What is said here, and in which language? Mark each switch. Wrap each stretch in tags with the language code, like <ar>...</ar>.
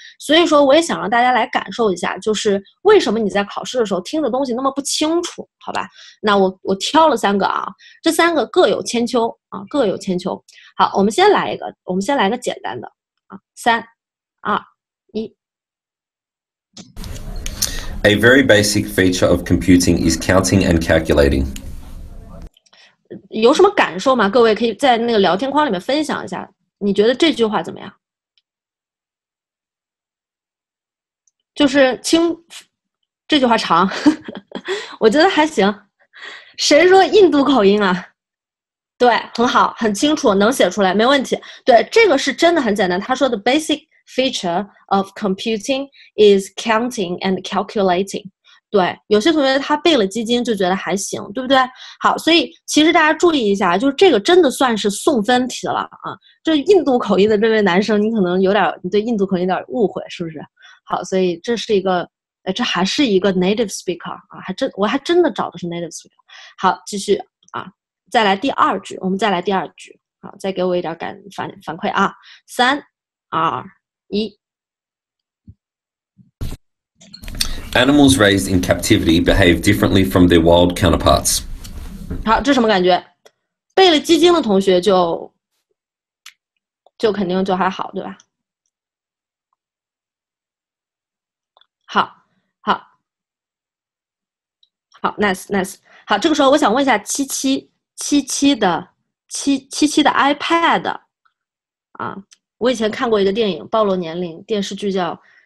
<zh>所以说我也想让大家来感受一下，就是为什么你在考试的时候听的东西那么不清楚，好吧？那我挑了三个啊，这三个各有千秋啊，各有千秋。好，我们先来一个，我们先来个简单的啊，三二一。</zh> <en>A very basic feature of computing is counting and calculating.</en> <zh>有什么感受吗？各位可以在那个聊天框里面分享一下，你觉得这句话怎么样？就是清，这句话长，我觉得还行。谁说印度口音啊？对，很好，很清楚，能写出来，没问题。对，这个是真的很简单。他说的</zh> <en>basic feature of computing is counting and calculating。</en> <zh>对，有些同学他背了基金就觉得还行，对不对？好，所以其实大家注意一下，就是这个真的算是送分题了啊。这印度口音的这位男生，你可能有点，你对印度口音有点误会，是不是？好，所以这是一个，这还是一个 native speaker 啊，我还真的找的是 native speaker。好，继续啊，再来第二句，我们再来第二句，好，再给我一点反馈啊，三、二、一。</zh> <en>Animals raised in captivity behave differently from their wild counterparts.</en> <zh>好，这什么感觉？背了基金的同学就肯定就还好，对吧？好 ，nice， 好。这个时候我想问一下七七的 iPad 啊，我以前看过一个电影，暴露年龄，电视剧叫。</zh>